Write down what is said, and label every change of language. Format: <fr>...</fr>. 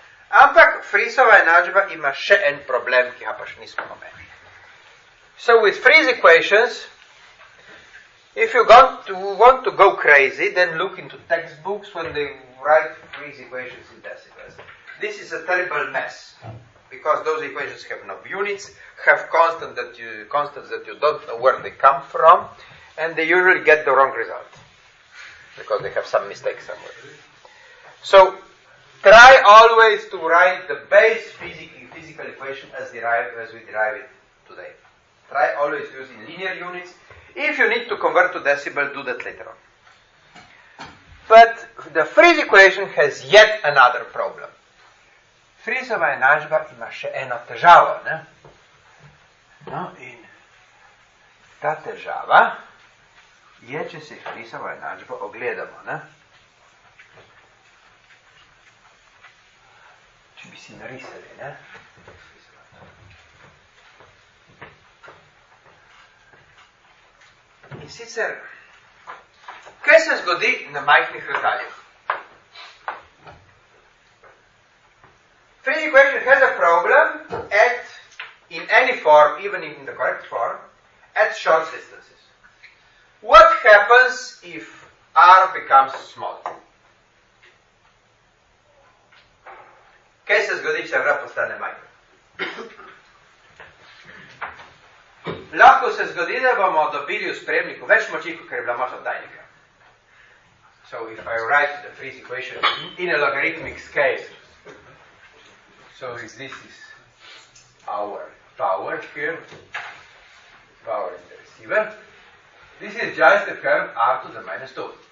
<sl>Ampak Friesova enačba ima še en problem, ki ga pa še nismo omenili.</sl> <en>So with Fries equations, if you want to go crazy, then look into textbooks when they write Fries equations in decibels. This is a terrible mess, because those equations have no units, have constants that you don't know where they come from, and they usually get the wrong result, because they have some mistake somewhere. So, try always to write the base physical equation as we derive it today. Try always using linear units. If you need to convert to decibel, do that later on. But the Fries equation has yet another problem.</en> <sl>Friesova enačba ima še eno težavo, ne? No, in ta težava je, če se Friesova enačbo ogledamo, ne? Če bi si narisali, ne? In sicer, kaj se zgodi na majhnih razdaljah?</sl> <en>Fries equation has a problem at, in any form, even in the correct form, at short distances. What happens if r becomes small?</en> <sl>Kaj se zgodi, če r postane majhen? Lahko se zgodi, da bomo dobili v spremniku več moči, kot je bila moč oddajnika.</sl> <en>So if I write the Fries equation in a logarithmic scale, so if this is our power here, power in the receiver, this is just the curve r to the minus 2.</en>